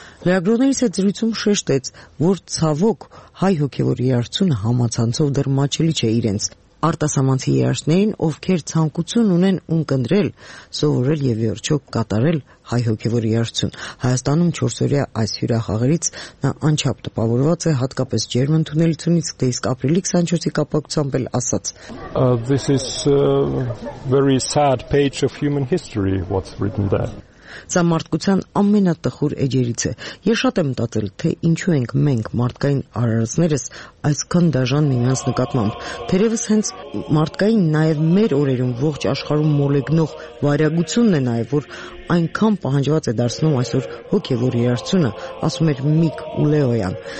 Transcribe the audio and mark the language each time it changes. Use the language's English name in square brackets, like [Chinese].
[Armenian] լրագրողներից հետ զրույցում շեշտեց, որ ցավոք հայ հոգևոր երգչուն համացանցով դեռ մաչելի չէ իրենց արտասամանցի երաժշտներին, ովքեր ցանկություն ունեն ունկնդրել, սովորել և վերջո կատարել հայ հոգևոր երաժշտություն։ Հայաստանում 4-օրյա այս հյուրախաղերից նա անչափ տպավորված է, հատկապես ջերմ ընդունելությունից, դե իսկ ապրիլի 24-ի կապակցությամբ էլ ասաց. [English] This is a very sad page of human history, what's written there. [Armenian] Սա մարդկության ամենատխուր էջերից է։ Ես շատ եմ մտածել, թե ինչու ենք մենք մարդկային արարածներս այսքան դաժան միմյանց նկատմամբ, թերևս հենց մարդկային նաև մեր օրերում ողջ աշխարհում մոլեգնող վարյագությունն է նաև, որ այնքան պահանջված է դարձնում այսօր հոգևոր երաժշտությունը, ասում էր Միկ Ուլեոյան,